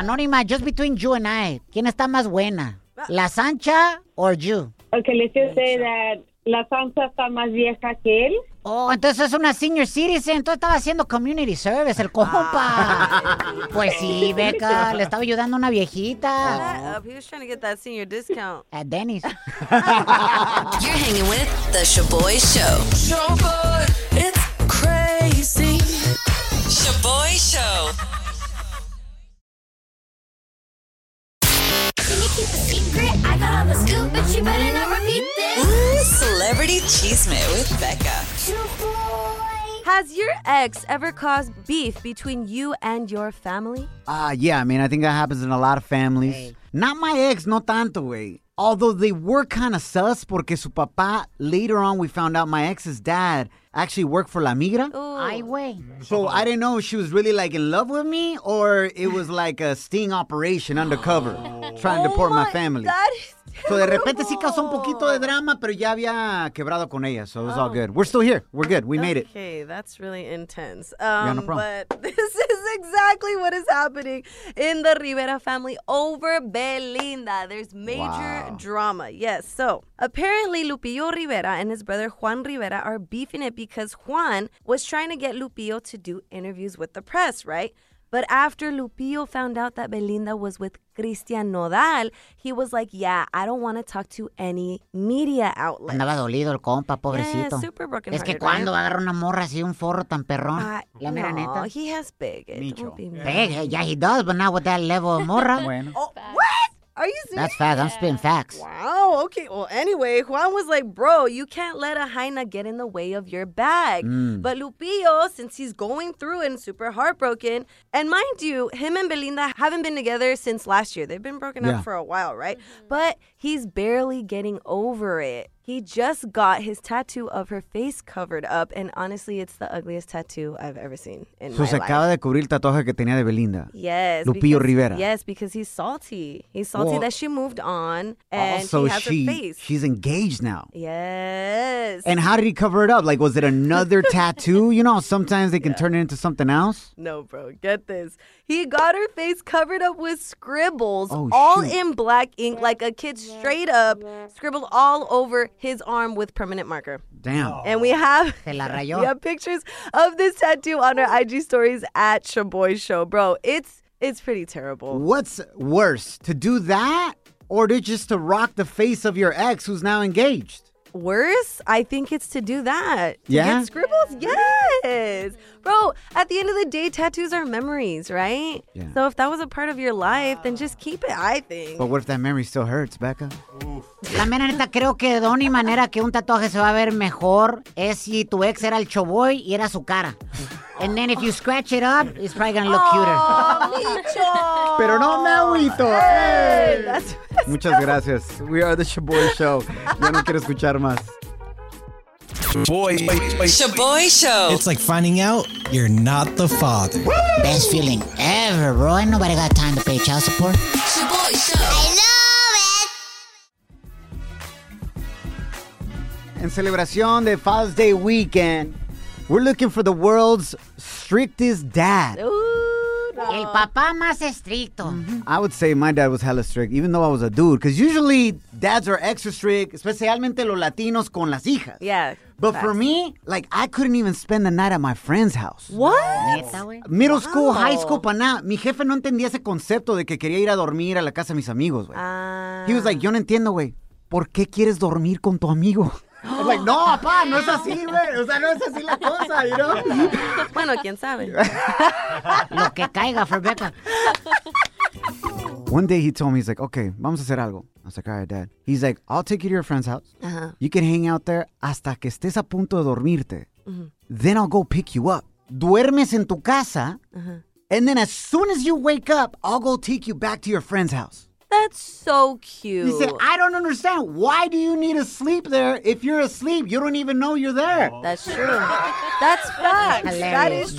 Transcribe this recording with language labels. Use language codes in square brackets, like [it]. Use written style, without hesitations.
[en] Anonima, just between you and I, [es] ¿quién está más buena? [en] ¿La Sancha or you? Okay, let's just say that La Sancha [es] está más vieja que él. Oh, entonces es una [en] senior citizen. [es] Entonces estaba haciendo [en] community service, [es] el compa. Pues sí, Beca, le estaba ayudando a una viejita. [en] He was trying to get that senior discount. At Denny's. You're hanging with The Shaboy Show. Shaboy, it's crazy. Shaboy Show. Celebrity Cheesemate with Becca. Has your ex ever caused beef between you and your family? I think that happens in a lot of families. Hey. Not my ex, [es] no tanto, güey. [en] Although they were kind of sus [es] porque su papá, [en] later on we found out my ex's dad actually worked for La Migra. [es] Ay, güey. [en] So I didn't know if she was really like in love with me or it was like a sting operation undercover trying to deport my family. That is terrible. [es] So de repente sí causó un poquito de drama, pero ya había quebrado con ella, so it was all good. [en] We're still here. We're good. We made it. Okay, that's really intense. No problem. But this is exactly what is happening in the Rivera family over Belinda. There's major drama. Yes, so apparently Lupillo Rivera and his brother Juan Rivera are beefing it because Juan was trying to get Lupillo to do interviews with the press, right? But after Lupillo found out that Belinda was with Cristian Nodal, he was like, yeah, I don't want to talk to any media outlet. [es] Andaba dolido el compa, pobrecito. [en] Yeah, super broken hearted. [es] Es que cuando va a agarrar una morra así, un forro tan perrón. La mera neta. [en] He has big. Big, yeah, he does, but not with that level of morra. [es] Bueno. [en] Oh, what? Are you serious? That's facts. I'm spitting facts. Wow, okay. Well, anyway, Juan was like, bro, you can't let a hyena get in the way of your bag. Mm. But Lupillo, since he's going through and super heartbroken, and mind you, him and Belinda haven't been together since last year. They've been broken up for a while, right? Mm-hmm. But he's barely getting over it. He just got his tattoo of her face covered up, and honestly, it's the ugliest tattoo I've ever seen in my life. [es] So se acaba de cubrir el tatuaje que tenía de Belinda. [en] Yes. Lupillo Rivera. Yes, because he's salty. He's salty that she moved on, and also, she has her face. She's engaged now. Yes. And how did he cover it up? Like, was it another tattoo? You know, sometimes they can turn it into something else? No, bro. Get this. He got her face covered up with scribbles in black ink, like a kid straight up scribbled all over his arm with permanent marker. Damn. And we have pictures of this tattoo on our IG stories at Shaboy Show. Bro, it's pretty terrible. What's worse, to do that or to just to rock the face of your ex who's now engaged? Worse, I think it's to do that. Yeah. To get scribbles? Yes. Bro, at the end of the day, tattoos are memories, right? Yeah. So if that was a part of your life, then just keep it, I think. But what if that memory still hurts, Becca? [es] La neta, creo que la única manera que un tatuaje se va a ver mejor es si tu ex era el Shaboy y era su cara. [en] And then if you scratch it up, it's probably going to look cuter. Micho. [es] Pero no me agüito. [en] Hey, [es] muchas gracias. [en] We are the Shaboy Show. [es] Yo no quiero escuchar más. [en] Shaboy Show. It's like finding out you're not the father. Best feeling ever, bro. Ain't nobody got time to pay child support. Shaboy Show. I love it. [es] En celebración de [en] Father's Day weekend, we're looking for the world's strictest dad. Ooh, [es] no. El papá más estricto. Mm-hmm. [en] I would say my dad was hella strict, even though I was a dude. Because usually dads are extra strict, [es] especialmente los latinos con las hijas. [en] Yeah. But for me, like, I couldn't even spend the night at my friend's house. What? Middle school, high school, [es] pa' nada. Mi jefe no entendía ese concepto de que quería ir a dormir a la casa de mis amigos, güey. [en] He was like, [es] yo no entiendo, güey. ¿Por qué quieres dormir con tu amigo? [en] I'm like, [es] no, papá, no es así, güey. O sea, no es así la cosa, you know? Bueno, quién sabe. Lo que caiga, Rebecca. [en] One day he told me, he's like, okay, [es] vamos a hacer algo. [en] I was like, all right, Dad. He's like, I'll take you to your friend's house. Uh-huh. You can hang out there [es] hasta que estés a punto de dormirte. [en] Uh-huh. Then I'll go pick you up. [es] Duermes en tu casa. [en] Uh-huh. And then as soon as you wake up, I'll go take you back to your friend's house. That's so cute. He said, I don't understand. Why do you need to sleep there if you're asleep? You don't even know you're there. That's true. That's facts. That is true.